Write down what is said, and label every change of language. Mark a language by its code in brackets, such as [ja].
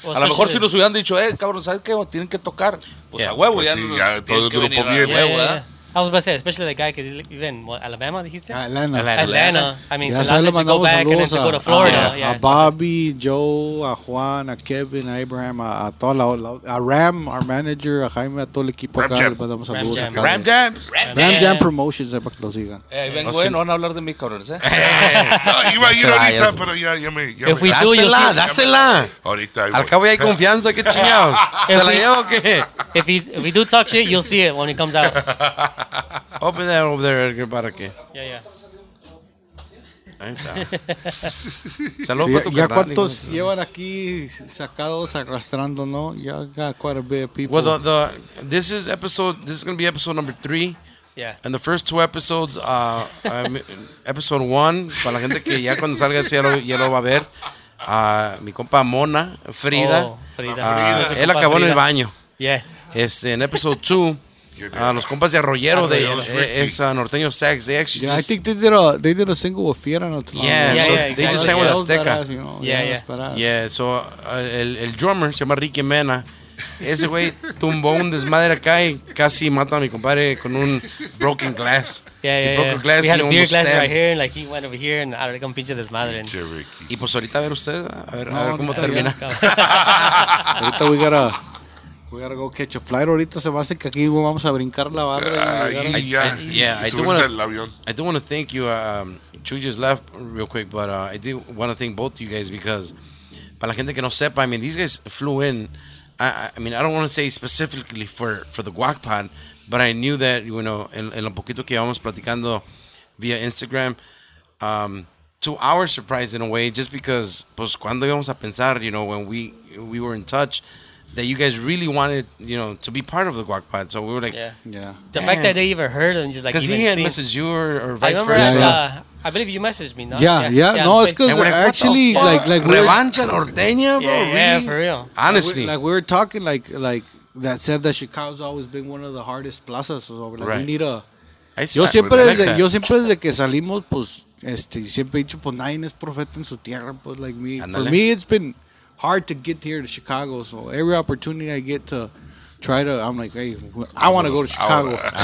[es] A lo mejor si nos hubieran dicho, cabrón, sabes qué, tienen que tocar, pues a huevo, pues ya todo el grupo bien. [en] I was about to say, especially the guy because he lives in what, Alabama, did he say? Atlanta. I mean, so let's go back and then to go to Florida. [es] A Bobby, Joe, a Juan, a Kevin, a Abraham, a Ram, [en] our manager, [es] a Jaime, a todo el equipo. Ram Jam Promotions, para que lo sigan. No van a hablar de mis cabrones, Iba a ir ahorita, pero ya me... [en] If we do, you'll see. [es] Dásela. Ahorita. Al cabo ya hay confianza, qué chingados. ¿Se la llevo o qué? [en] If we do talk shit, you'll see it when it comes out. Open that over there, Edgar, [es] para que. [en] Yeah. [es] Ahí está. Saludos para tu carnal. ¿Ya cuántos llevan aquí sacados arrastrando, no? [en] Ya got quite a bit of people. Well, this is going to be episode number 3. Yeah. And the first two episodes, episode 1, [es] para la gente que ya cuando salga ese ya lo va a ver, mi compa Mona, Frida. Él acabó en el baño. [en] Yeah. [es] En episode 2. Los compas de Arroyero de esa Norteño Sex, [en] they actually I think they did a single with Fiera not too long. Yeah, so exactly. They just sang with Azteca. Us, you know, yeah. [es] So el drummer se llama Ricky Mena. Ese güey tumbó un desmadre acá y casi mata a mi compadre con un [en] broken glass. Glass. We had a beer glass right here and like he went over here and I don't know, [es] pinche desmadre. Y pues ahorita a ver usted, a ver cómo termina. Ahorita [en] we got a go catch a flight. [es] Ahorita se va a hacer que aquí vamos a brincar la barra. [en] I do want to thank you. Chuy just left real quick, but I do want to thank both of you guys because [es] para la gente que no sepa, [en] I mean, these guys flew in. I mean, I don't want to say specifically for the guac pod, but I knew that, you know, [es] en lo poquito que íbamos platicando via [en] Instagram, to our surprise in a way, just because, [es] pues, cuando íbamos a pensar, [en] you know, when we were in touch, that you guys really wanted, you know, to be part of the Guac Pod. So we were like, yeah. The fact that they even heard and just like, because he had messaged you or vice versa. Yeah, yeah. I believe you messaged me, no? Yeah. No, it's because actually, like Revancha Norteña, bro. Yeah, really? Yeah, for real. Honestly. Like, we were talking, like, that said that Chicago's always been one of the hardest plazas. So we're like, right. We need a. [es] Yo siempre desde que salimos, pues, siempre he dicho, pues, nadie es profeta en su tierra, pues, [en] like me. [es] Andale. [en] For me, it's been hard to get here to Chicago, so every opportunity I get to try to, I'm like, hey, I want to go to Chicago.